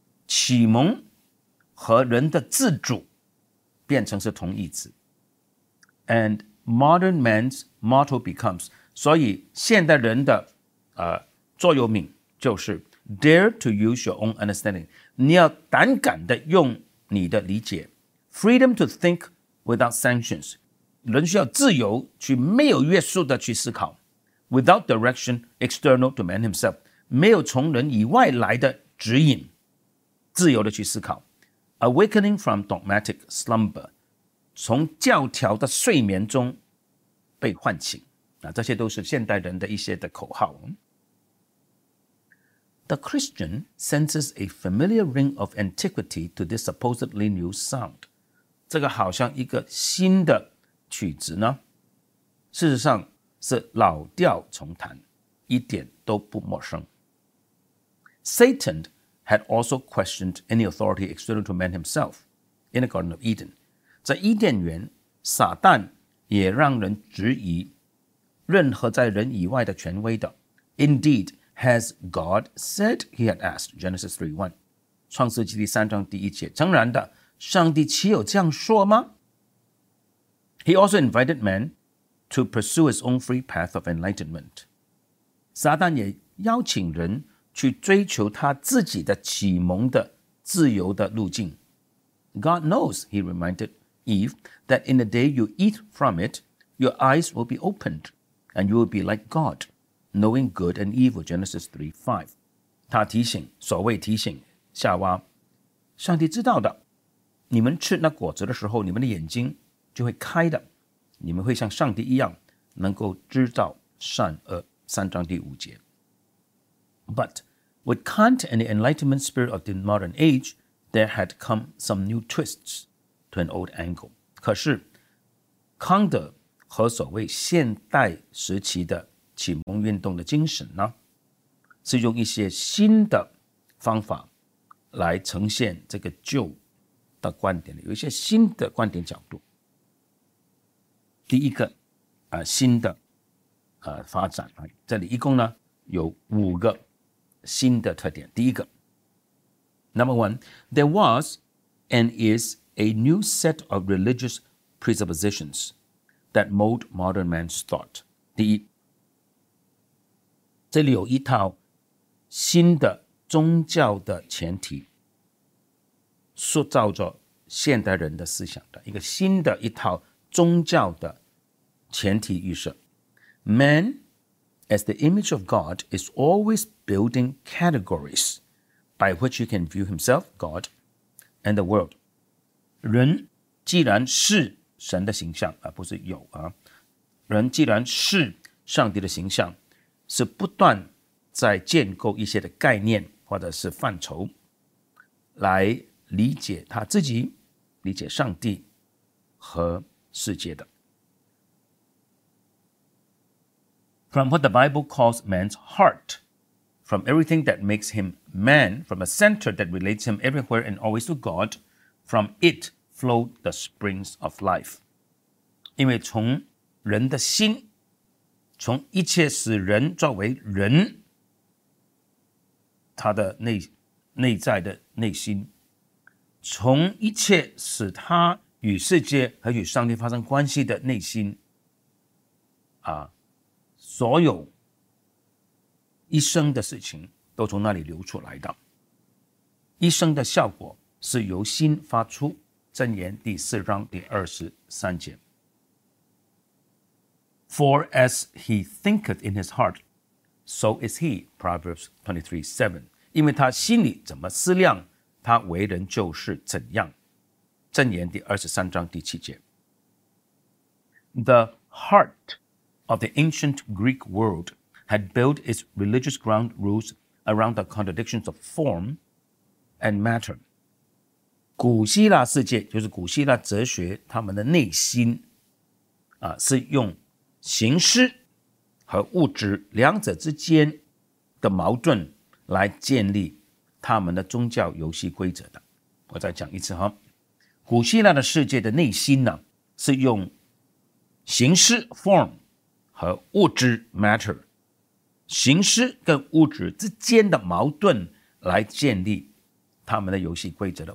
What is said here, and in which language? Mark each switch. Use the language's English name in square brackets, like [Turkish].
[Chinese] 启蒙和人的自主变成是同义词。 [English] And modern man's motto becomes, [Chinese] 所以现代人的、座右铭就是 [English] dare to use your own understanding. [Chinese] 你要胆敢的用你的理解。 [English] Freedom to think without sanctions. [Chinese] 人需要自由去没有约束的去思考。 [English] Without direction external to man himself. [Chinese] 没有从人以外来的指引，自由的去思考。 [English] Awakening from dogmatic slumber, [Chinese] 从教条的睡眠中被唤醒。这些都是现代人的一些的口号。 [English] The Christian senses a familiar ring of antiquity to this supposedly new sound. [Chinese] 这个好像一个新的曲子呢，事实上是老调重弹，一点都不陌生。 [English] Satan had also questioned any authority external to man himself. in the Garden of Eden. [Chinese] 在伊甸园，撒旦也让人质疑任何在人以外的权威的。 [English] Indeed, has God said he had asked? Genesis 3:1. [Chinese] 创世纪第三章第一节，诚然的，上帝岂有这样说吗？ [English] He also invited man to pursue his own free path of enlightenment. [Chinese] 撒旦也邀请人去追求他自己的启蒙的自由的路径。 [English] God knows, he reminded Eve, that in the day you eat from it, your eyes will be opened, and you will be like God, knowing good and evil, Genesis 3:5. [Chinese] 他提醒，所谓提醒，夏娃，上帝知道的，你们吃那果子的时候，你们的眼睛就会开的，你们会像上帝一样，能够知道善恶，三章第五节。 [English] But with Kant and the Enlightenment spirit of the modern age, there had come some new twists to an old angle. [Chinese] 可是康德和所谓现代时期的启蒙运动的精神呢，是用一些新的方法来呈现这个旧的观点，有一些新的观点角度。第一个新的发展，这里一共呢有五个新的特点。第一个 [English] Number one, there was and is a new set of religious presuppositions that mold modern man's thought. [Chinese] 第一，这里有一套新的宗教的前提，塑造着现代人的思想的一个新的一套宗教的前提预设。 [English] Man as the image of God is always building categories by which you can view himself, God, and the world. [Chinese] 人既然是神的形象，不是有啊，人既然是上帝的形象，是不断在建构一些的概念或者是范畴来理解他自己，理解上帝和世界的。 [English] From what the Bible calls man's heart, from everything that makes him man, from a center that relates him everywhere and always to God, from it flow the springs of life. [Chinese] 因为从人的心，从一切使人作为人，他的内在的内心，从一切使他与世界和与上帝发生关系的内心，所有一生的事情都从那里流出来的。一生的效果是由心发出，箴言第四章第二十三节。 [English] For as he thinketh in his heart, so is he, Proverbs 23:7. [Chinese] 因为他心里怎么思量，他为人就是怎样，箴言第二十三章第七节。 [English] The heartof the ancient Greek world had built its religious ground rules around the contradictions of form and matter. [Chinese] 古希腊世界，就是古希腊哲学，他们的内心是用形式和物质两者之间的矛盾来建立他们的宗教游戏规则的。我再讲一次哈，古希腊的世界的内心呢，是用形式 form和物质 matter 形式跟物质之间的矛盾来建立他们的游戏规则的。